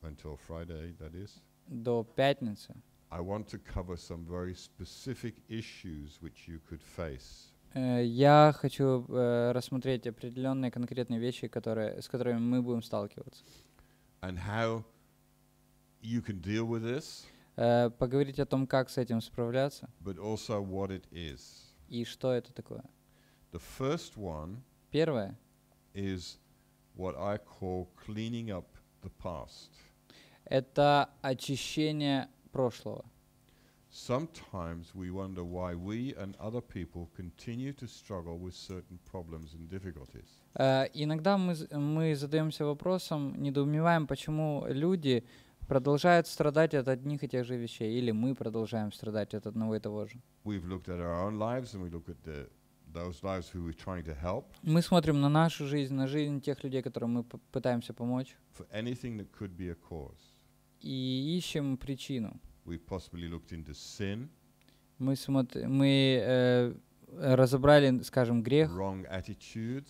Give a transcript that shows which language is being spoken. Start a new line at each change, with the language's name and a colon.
English: Until Friday, that is.
Russian: До пятницы.
English: I want to cover some very specific issues which you could face.
Russian: Я хочу рассмотреть определенные конкретные вещи, с которыми мы будем сталкиваться.
English: And how you can deal with this.
Russian: Поговорить о том, как с этим справляться.
English: But also what it is.
Russian: И что это такое.
English: The first one.
Russian: Первое.
English: Is what I call cleaning up the past.
Russian: Это очищение прошлого.
English: Sometimes we wonder why we and other people continue to struggle with certain problems and difficulties.
Russian: Иногда мы задаемся вопросом, недоумеваем, почему люди продолжают страдать от одних и тех же вещей, или мы продолжаем страдать от одного и того же.
English: We've looked at our own lives and we look at those lives who we're trying to help.
Russian: Мы смотрим на нашу жизнь, на жизнь тех людей, которым мы пытаемся помочь.
English: For anything that could be a cause.
Russian: И ищем причину.
English: We've possibly looked into sin.
Russian: Мы разобрали, скажем, грех.
English: Wrong attitudes.